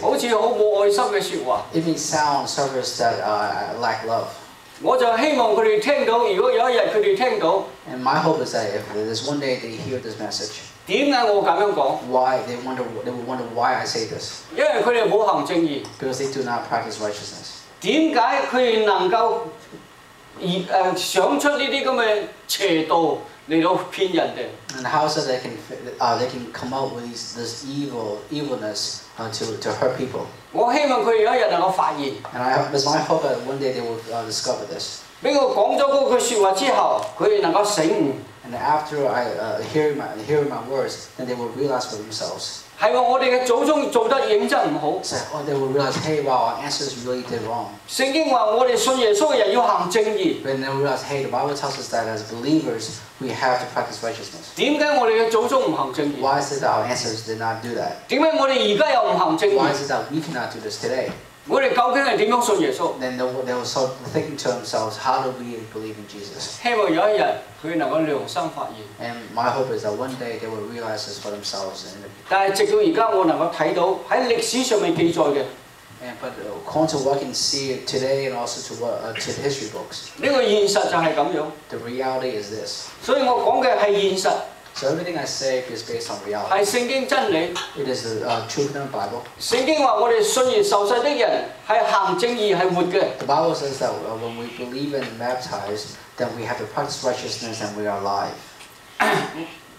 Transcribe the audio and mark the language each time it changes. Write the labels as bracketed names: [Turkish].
[Chinese] 好像很没爱心的说话, [English] if it sounds service that lack love. [Chinese] 我就希望他们听到, [English] and my hope is that if there's one day they hear this message, [Chinese] 为什么我这样说? [English] Why they will wonder why I say this. [Chinese] 因为他们不行正义, [English] because they do not practice righteousness. [Chinese] 为什么他们能够 想出这些邪道来骗人的, [English] and how so they can come up with this evilness to hurt people. [Chinese] 我希望他们有一天能够发现, [English] and I hope, it's my hope that one day they will discover this. [Chinese] 被我说了那句话之后, 他们能够醒悟, [English] and after I hearing my words, then they will realize for themselves. [Chinese] 是我们的祖宗做得认真不好, [English] so they will realize, hey, wow, our ancestors really did wrong. [Chinese] 圣经说我们信耶稣的人要行正义, [English] but they will realize, hey, the Bible tells us that as believers we have to practice righteousness. [Chinese] 为什么我们的祖宗不行正义? [English] Why is it that our ancestors did not do that? [Chinese] 为什么我们现在又不行正义? [English] Why is it that we cannot do this today? [Chinese] 我们究竟是怎样信耶稣? [English] Then they will start thinking to themselves, how do we believe in Jesus? [Chinese] 希望有一天他们能够良心发现, [English] and my hope is that one day they will realize this for themselves. And [Chinese] 但是直到现在我能够看到在历史上面记载的, [English] and, but according to what we can see today and also to the history books, [Chinese] 这个现实就是这样, [English] the reality is this. [Chinese] 所以我说的是现实, [English] so everything I say is based on reality. [Chinese] 是圣经真理, [English] it is the truth in the Bible. [Chinese] 圣经说我们信而受洗的人是行正义是活的, [English] the Bible says that when we believe and baptize, then we have to practice righteousness and we are alive.